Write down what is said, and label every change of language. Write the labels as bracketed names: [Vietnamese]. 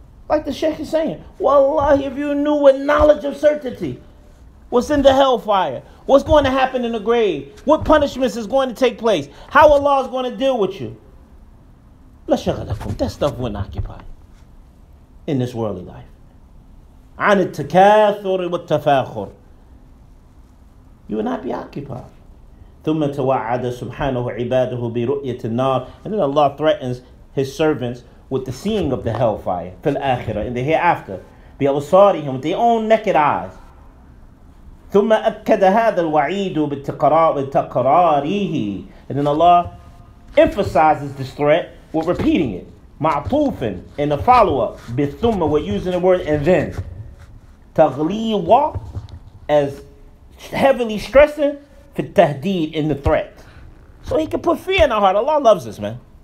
[English] Like the Sheikh is saying, wallahi, if you knew with knowledge of certainty what's in the hellfire, what's going to happen in the grave, what punishments is going to take place, how Allah is going to deal with you, that stuff wouldn't occupy in this worldly life. At-takaathur wa at-tafakhur. You will not be occupied. [Arabic] ثم توعد سبحانه عباده برؤية النار. [English] And then Allah threatens His servants with the seeing of the hellfire [Arabic] في الآخرة, [English] in the hereafter. [Arabic] بأبصارهم, [English] with their own naked eyes. [Arabic] ثم أكد هذا الوعيد بتقراره. [English] And then Allah emphasizes this threat with repeating it. [Arabic] معطوفا, [English] in a follow up. [Arabic] بثم, [English] we're using the word and then. [Arabic] تغليظا, [English] as heavily stressing. For tahdeed, in the threat. So he can put fear in our heart. Allah loves us, man.